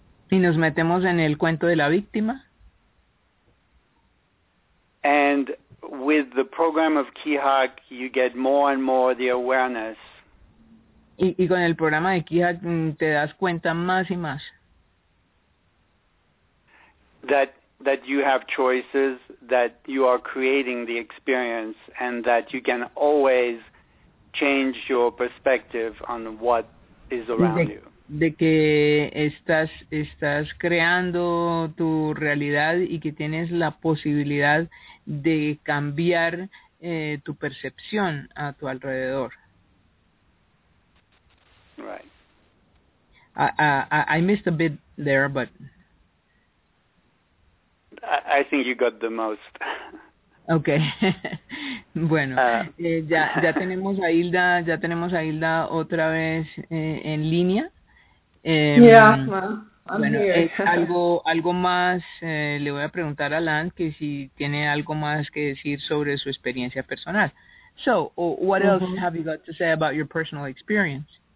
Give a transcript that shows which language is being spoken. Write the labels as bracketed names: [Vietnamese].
[Spanish] Y nos metemos en el cuento de la víctima. [English] And with the program of KeyHack, you get more and more the awareness [Spanish] Y con el programa de Kija te das cuenta más y más. [English] that you have choices, that you are creating the experience, and that you can always change your perspective on what is around [Spanish] De [English] you. [Spanish] que estás creando tu realidad y que tienes la posibilidad de cambiar tu percepción a tu alrededor. [English] Right. I missed a bit there, but I think you got the most. okay. [Spanish] Bueno, ya tenemos a Hilda, ya tenemos a Hilda otra vez en línea. [English] Yeah, ma, I'm [Spanish] Bueno, [English] here. [Spanish] es algo más. Le voy a preguntar a Lan que si tiene algo más que decir sobre su experiencia personal. [English] So, what else have you got to say about your personal experience?